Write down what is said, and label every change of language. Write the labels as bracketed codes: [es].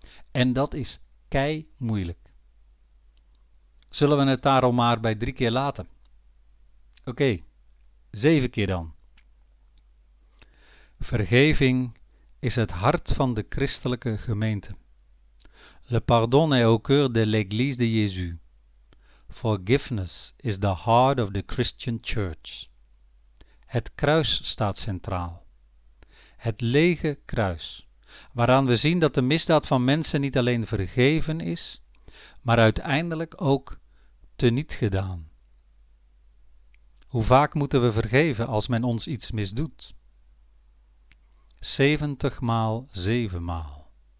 [nl] En dat is kei moeilijk. Zullen we het daarom maar bij 3 keer laten? Oké, 7 keer dan. Vergeving is het hart van de christelijke gemeente. [fr] Le pardon est au cœur de l'église de Jésus. [en] Forgiveness is the heart of the Christian Church. [nl] Het kruis staat centraal. Het lege kruis, waaraan we zien dat de misdaad van mensen niet alleen vergeven is, maar uiteindelijk ook teniet gedaan. Hoe vaak moeten we vergeven als men ons iets misdoet? 70 maal 7 maal.